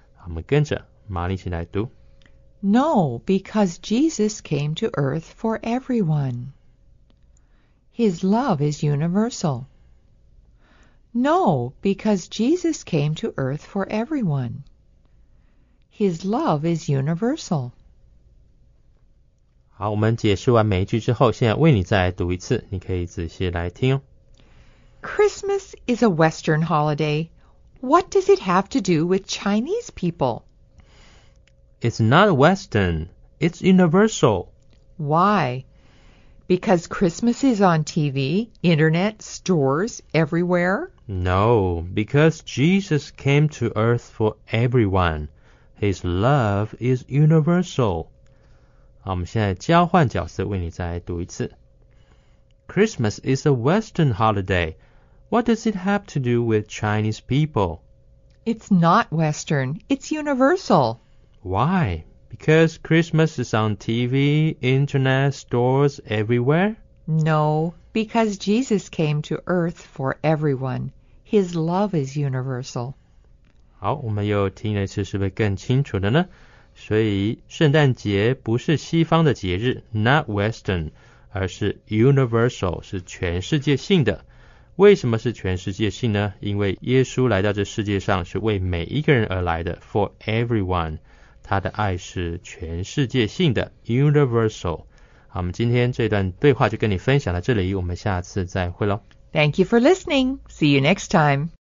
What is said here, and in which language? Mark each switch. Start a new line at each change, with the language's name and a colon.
Chinese: 我们跟着玛丽一起来读。
English: No, because Jesus came to earth for everyone. His love is universal. No, because Jesus came to earth for everyone. His love is universal.
Chinese: 好，我们解释完每一句之后，现在为你再来读一次，你可以仔细来听哦。
English: Christmas is a Western holiday. What does it have to do with Chinese people? It's not Western. It's universal. Why? Because Christmas is on TV, internet, stores, everywhere? No, because Jesus came to earth for everyone. His love is universal.
Chinese: 好，我们现在交换角色，为你再读一次。
English: Christmas is a Western holiday. What does it have to do with Chinese people? It's not Western. It's universal. Why? Because Christmas is on TV, internet, stores, everywhere? No, because Jesus came to earth for everyone. His love is universal.
Chinese: 好，我们又听了一次，是不是更清楚了呢？所以圣诞节不是西方的节日 ,
English: not Western,
Chinese: 而是 universal, 是全世界性的。为什么是全世界性呢？因为耶稣来到这世界上是为每一个人而来的 ,
English: for everyone,
Chinese: 他的爱是全世界性的 ,universal。好，我们今天这段对话就跟你分享到这里，我们下次再会咯。
English: Thank you for listening. See you next time.